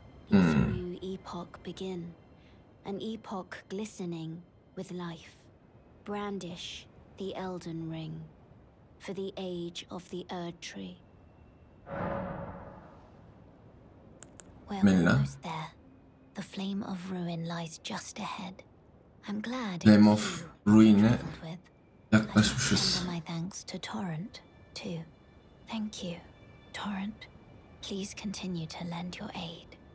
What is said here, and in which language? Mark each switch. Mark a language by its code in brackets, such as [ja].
[en] This new epoch begin. An epoch glistening with life. Brandish the Elden Ring for the age of the Erd Tree. Melina. The flame of ruin lies just ahead. I'm glad. [tr] Flame of ruin'e yaklaşmışız. [en] My thanks to Torrent too. Thank you, Torrent. Please continue to lend your aid.